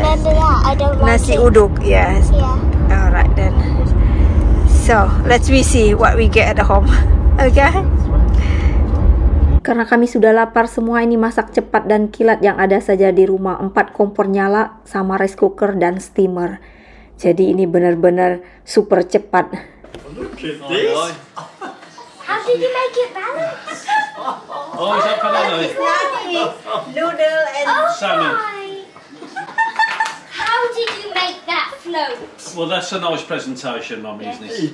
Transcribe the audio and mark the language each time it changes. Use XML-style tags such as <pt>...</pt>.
<en>Remember that? I don't like nasi uduk. Yes. Yeah. All right then. So let's see what we get at the home. Okay.</en> <id>Karena kami sudah lapar semua, ini masak cepat dan kilat yang ada saja di rumah. 4 kompor nyala sama rice cooker dan steamer. Jadi ini benar-benar super cepat.</id> <en>How did you make it balanced? Oh, is that banana? Noodle and oh, salmon. How did you make that float? Well, that's a nice presentation, Mommy, yes. Isn't it?</en>